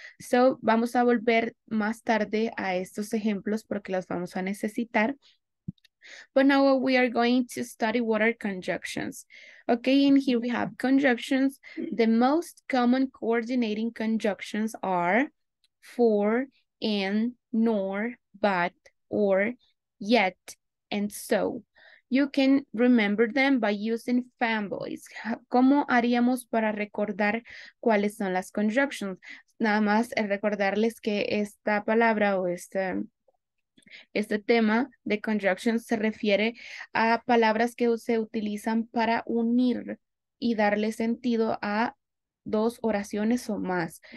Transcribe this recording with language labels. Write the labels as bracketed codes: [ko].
[es] So, vamos a volver más tarde a estos ejemplos porque los vamos a necesitar. [en] But now we are going to study what are conjunctions. Okay, and here we have conjunctions. The most common coordinating conjunctions are for, in, nor, but, or, yet, and so. You can remember them by using fanboys. [es] ¿Cómo haríamos para recordar cuáles son las conjunctions? Nada más recordarles que esta palabra o este tema de conjunctions se refiere a palabras que se utilizan para unir y darle sentido a dos oraciones o más.